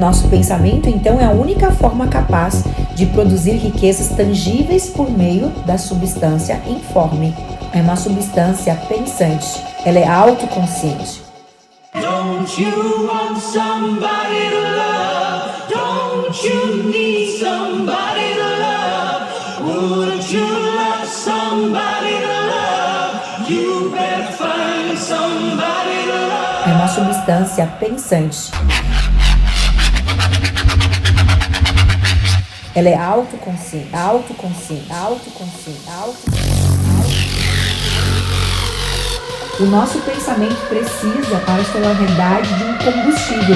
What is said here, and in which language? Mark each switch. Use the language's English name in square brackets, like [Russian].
[Portuguese] Pensamento, então, é a única forma capaz de produzir riquezas tangíveis por meio da substância informe. É uma substância pensante, ela é autoconsciente. [English] Don't you want somebody to love? Don't you need somebody to love? Wouldn't you love somebody to love? You better find somebody to love. [Portuguese] É uma substância pensante. Ela é autoconsciente, autoconsciente, autoconsciente, autoconsciente. O nosso pensamento precisa para sua realidade de um combustível.